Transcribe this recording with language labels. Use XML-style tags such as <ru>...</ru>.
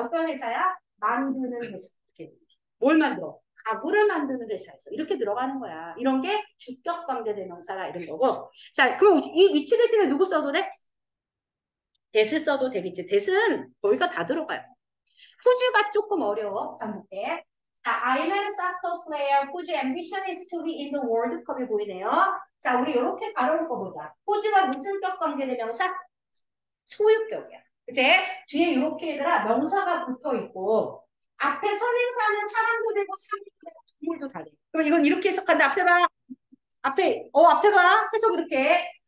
<ko>어떤 회사야? 만드는 회사. 이렇게. 뭘 만들어? 가구를 만드는 회사에서. 이렇게 들어가는 거야. 이런 게 주격 관계 대명사다. 이런 거고. 자, 그럼 이 위치 대신에 누구 써도 돼? 데스 써도 되겠지. 데스는 거기가 다 들어가요. 후즈가 조금 어려워. 자, 볼게.</ko> <en>자, I'm a soccer player whose ambition is to be in the World Cup이 보이네요.</en> <ko>자, 우리 이렇게 바로 묶어보자. 후즈가 무슨 격 관계 대명사? 소유격이야. 그제 뒤에 이렇게 얘들아 명사가 붙어 있고 앞에 선행사는 사람도 되고 사물도 되고 동물도 다 돼. 그럼 이건 이렇게 해석한다. 앞에 봐. 앞에 봐. 해석 이렇게.</ko>